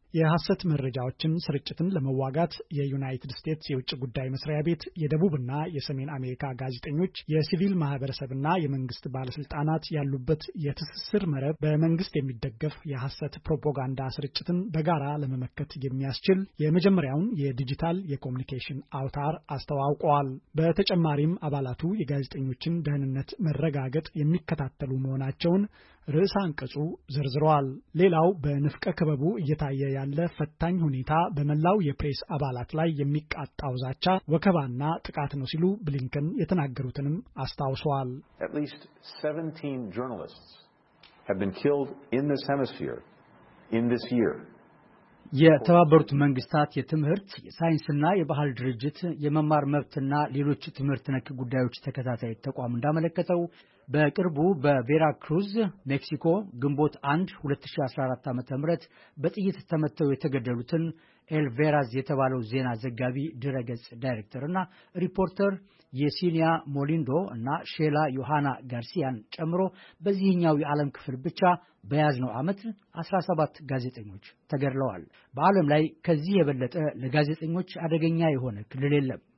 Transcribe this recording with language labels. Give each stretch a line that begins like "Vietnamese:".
Amharic: የሐሰት መረጃዎችን ስርጭትን ለመዋጋት የዩናይትድ ስቴትስ የውጭ ጉዳይ መስሪያ ቤት የደቡብና የሰሜን አሜሪካ ጋዜጠኞች የሲቪል ማህበረሰብና የመንግስት ባለስልጣናት ያሉበት የትስስር መረብ በመንግስት የሚደገፍ የሐሰት ፕሮፓጋንዳ ስርጭትን በጋራ ለመመከት የሚያስችል የመጀመሪያውን የዲጂታል የኮሙኒኬሽን አውታር አስተዋውቀዋል። በተጨማሪም አባላቱ የጋዜጠኞችን ደህንነት መረጋገጥ የሚከታተሉ መሆናቸውን ርዕሰ አንቀጹ ዘርዝሯል። ሌላው በንፍቀ ክበቡ እየታየ ያለ ፈታኝ ሁኔታ በመላው የፕሬስ አባላት ላይ የሚቃጣው ዛቻ፣ ወከባና ጥቃት ነው ሲሉ ብሊንከን የተናገሩትንም አስታውሰዋል።
English: At least 17 journalists have been killed in this hemisphere in this year.
Amharic: የተባበሩት መንግስታት የትምህርት የሳይንስና የባህል ድርጅት የመማር መብትና ሌሎች ትምህርት ነክ ጉዳዮች ተከታታይ ተቋም እንዳመለከተው በቅርቡ በቬራክሩዝ ሜክሲኮ ግንቦት 1 2014 ዓ.ም በጥይት ተመተው የተገደሉትን ኤልቬራዝ የተባለው ዜና ዘጋቢ ድረገጽ ዳይሬክተርና ሪፖርተር የሲኒያ ሞሊንዶ እና ሼላ ዮሃና ጋርሲያን ጨምሮ በዚህኛው የዓለም ክፍል ብቻ በያዝነው ዓመት 17 ጋዜጠኞች ተገድለዋል። በዓለም ላይ ከዚህ የበለጠ ለጋዜጠኞች አደገኛ የሆነ ክልል የለም።